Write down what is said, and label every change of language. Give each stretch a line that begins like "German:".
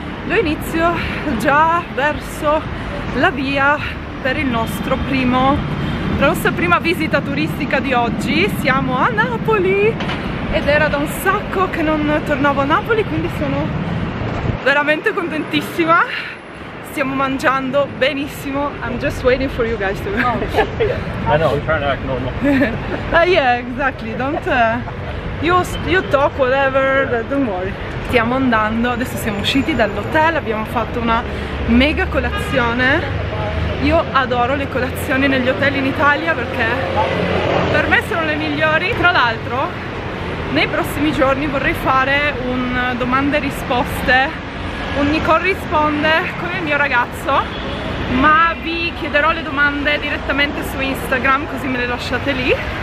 Italian: Lo inizio già verso la via per il nostro primo, la nostra prima visita turistica di oggi. Siamo a Napoli ed era da un sacco che non tornavo a Napoli, quindi sono veramente contentissima. Stiamo mangiando benissimo.
English: I'm just waiting for you guys to come. I know, we're trying to act normal. Yeah, exactly. Don't you talk whatever, don't worry.
Italian: Stiamo andando, adesso siamo usciti dall'hotel, abbiamo fatto una mega colazione. Io adoro le colazioni negli hotel in Italia perché per me sono le migliori. Tra l'altro, nei prossimi giorni vorrei fare un domande e risposte, un Nicole risponde con il mio ragazzo, ma vi chiederò le domande direttamente su Instagram, così me le lasciate lì.